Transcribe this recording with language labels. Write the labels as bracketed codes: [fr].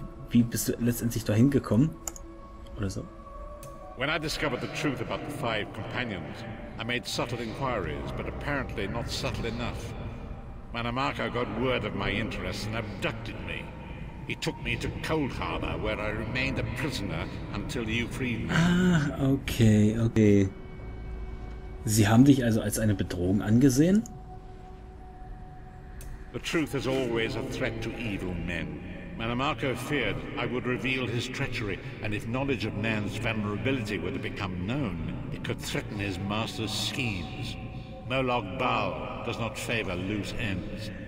[de] Wie bist du letztendlich dahin gekommen? Oder so? [en] When I discovered the truth about the five companions, I made subtle inquiries, but apparently not subtle enough. Menemako got word of my interest and abducted me. He took me to Cold Harbor, where I remained a prisoner until you freed me. [de] Ah, okay, okay. Sie haben dich also als eine Bedrohung angesehen? [en] The truth is always a threat to evil men. Menemako feared I would reveal his treachery, and if knowledge of Nan's vulnerability were to become known, it could threaten his master's schemes. Molag Bal does not favor loose ends.